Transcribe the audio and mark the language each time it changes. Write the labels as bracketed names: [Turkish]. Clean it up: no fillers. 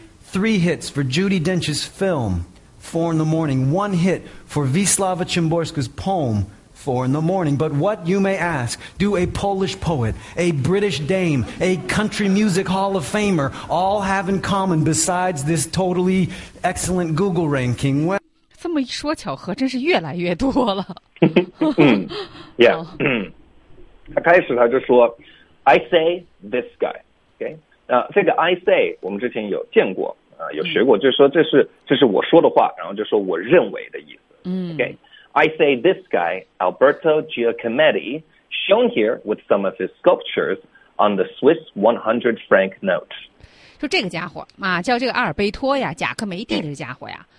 [English] Three hits for Judy Dench's film, Four in the Morning. One hit for Wisława Szymborska's poem, Four in the Morning. But what, you may ask, do a Polish poet, a British dame, a country music hall of famer all have in common besides this totally excellent Google ranking? Well, [Chinese] 这么一说巧合真是越来越多了。嗯，他开始他就说 [English] I say this guy， [Chinese] OK， 这个 [English] I say [Chinese] 我们之前有见过啊，有学过，就是说这是我说的话，然后就说我认为的意思。嗯， [English] OK， I say this guy Alberto Giacometti shown here with some of his sculptures on the Swiss 100 franc note。 [Chinese] 就这个家伙啊，叫这个阿尔贝托呀，贾克梅蒂的家伙呀，